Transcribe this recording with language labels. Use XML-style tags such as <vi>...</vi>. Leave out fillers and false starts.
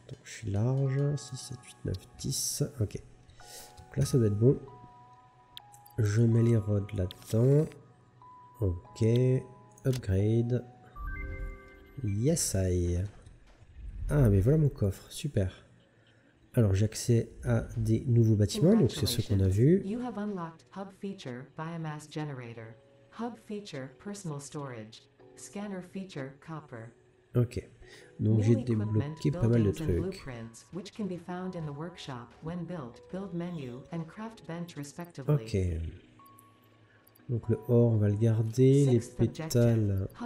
<fr>Donc je suis large. 6, 7, 8, 9, 10. Ok. Donc là, ça doit être bon. Je mets les rods là-dedans.</fr> <en>Ok. Upgrade. Yes, I.</en> <fr>Ah, mais voilà mon coffre. Super. Alors j'ai accès à des nouveaux bâtiments, donc c'est ce qu'on a vu.</fr> <en>You have unlocked hub feature biomass generator, hub feature personal storage, scanner feature copper.</en> <fr>Ok, donc j'ai débloqué pas mal de trucs.</fr> <en>Which can be found in the workshop when built, build menu and craft bench respectively.</en> <fr>Ok, donc le or on va le garder, les pétales.</fr>